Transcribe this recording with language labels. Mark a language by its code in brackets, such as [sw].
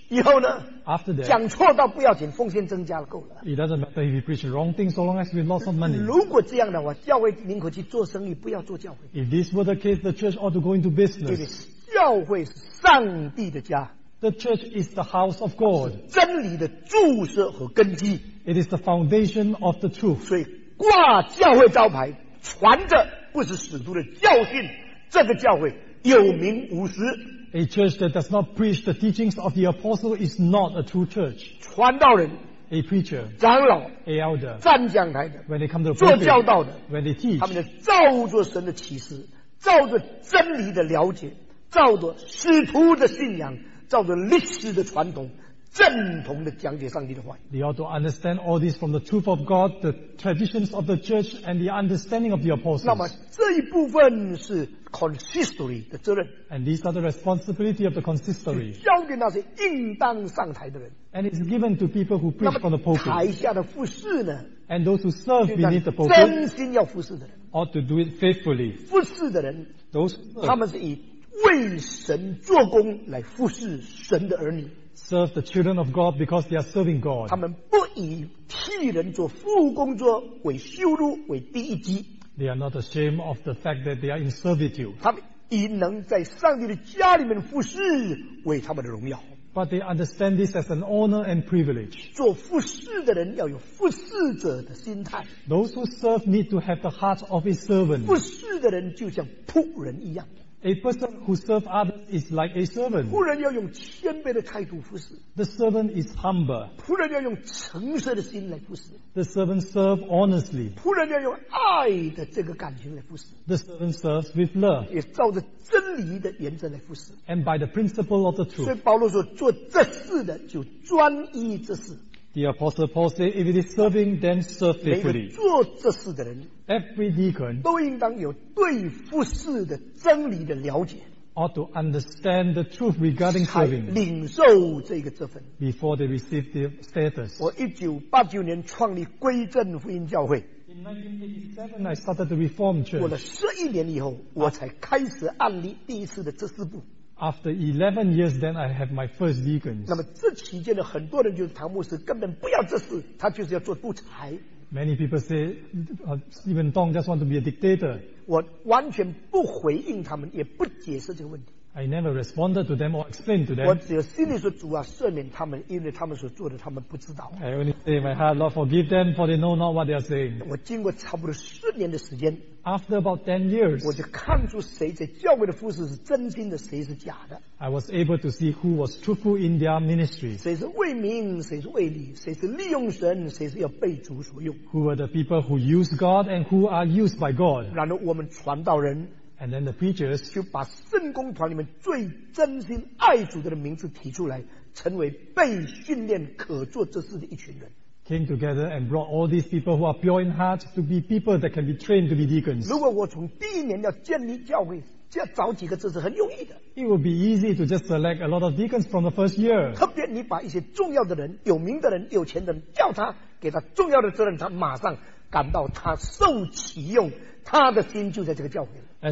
[zh] 以后呢 [en] ？After that， [zh] 讲错到不要紧，奉献增加了够了。 [en] It doesn't matter if you preach the wrong thing, so long as we have lots of money. [zh] 如果这样的话，教会宁可去做生意，不要做教会。 [en] If this were the case, the church ought to go into business. [zh] 对对，教会是上帝的家。 [en] The church is the house of God. [zh] 是真理的注射和根基。 [en] It is the foundation of the truth. [zh] 所以挂教会招牌，传着不是使徒的教训，这个教会有名无实。 [en] A church that does not preach the teachings of the apostle is not a true church. [zh] 传道人 [en] ，A preacher， [zh] 长老 [en] ，A elder， [zh] 站讲台的 [en] ，When they come to preach， [zh] 做教导的 [en] ，When they teach， [zh] 他们就照着神的启示，照着真理的了解，照着使徒的信仰，照着历史的传统。正统的讲解上帝的话语。 [en] They ought to understand all this from the truth of God, the traditions of the church, and the understanding of the apostles. [zh] 那么这一部分是 consistory 的责任。 [en] And these are the responsibility of the consistory. [zh] 交给那些应当上台的人。 [en] And it's given to people who preach from the pulpit. [zh] 那么台下的服事呢 [en] ？And those who serve beneath the pulpit. [zh] 真心要服事的人。 [en] Ought to do it faithfully. [zh] 服事的人 [en] ，those [zh] 他们是以为神做工来服事神的儿女。 [en] Serve the children of God because they are serving God. [zh] 他们不以替人做服务工作为羞辱为第一级。 [en] They are not ashamed of the fact that they are in servitude. [zh] 他们以能在上帝的家里面服事为他们的荣耀。 [en] But they understand this as an honor and privilege. [zh] 做服事的人要有服事者的心态。 [en] Those who serve need to have the heart of a servant. [zh] 服事的人就像仆人一样。 [en] A person who serves others is like a servant. [zh] 仆人要用谦卑的态度服侍。 [en] The servant is humble. [zh] 仆人要用诚实的心来服侍。 [en] The servant serves honestly. [zh] 仆人要用爱的这个感情来服侍。 [en] The servant serves with love. [zh] 也照着真理的原则来服侍。 [en] And by the principle of the truth. [zh] 所以保罗说，做这事的就专一这事。 [en] The apostle Paul said, "If it is serving, then serve faithfully." [zh] 做这事的人 [en] ，every deacon [zh] 都应当有对服事的真理的了解 [en] ，ought to understand the truth regarding serving. [zh] 才领受这个职分 [en] ，before they receive the status. [zh] 我1989年创立归正福音教会。 [en] In 1987, I started the Reformed Church. [zh] 过了11年以后，我才开始案例第一次的执事部。 [en] After 11 years, then I have my first deacons. [zh] 那么这期间的很多人就是唐牧师根本不要这事，他就是要做独裁。 [en] Many people say, Stephen Tong just want to be a dictator. [zh] 我完全不回应他们，也不解释这个问题。 [en] I never responded to them or explained to them. [zh] 我只有心里说主啊，赦免他们，因为他们所做的他们不知道。 [en] I only say my heart, Lord, forgive them, for they know not what they are saying. [zh] 我经过差不多10年的时间。 [en] After about 10 years, [zh] 我就看出谁在教会的服事是真心的，谁是假的。 [en] I was able to see who was truthful in their ministry. [zh] 谁是为民，谁是为利，谁是利用神，谁是要被主所用。 [en] Who were the people who used God and who are used by God? [zh] 然后我们传道人。 [en] And then the preachers [zh] 就把圣工团里面最真心爱主的名字提出来，成为被训练可做这事的一群人。 [en] Came together and brought all these people who are pure in heart to be people that can be trained to be deacons. [zh] 如果我从第一年要建立教会，要找几个执事很容易的。 [en] It would be easy to just select a lot of deacons from the first year. [zh] 特别你把一些重要的人、有名的人、有钱的人叫他，给他重要的责任，他马上感到他受启用，他的心就在这个教会了。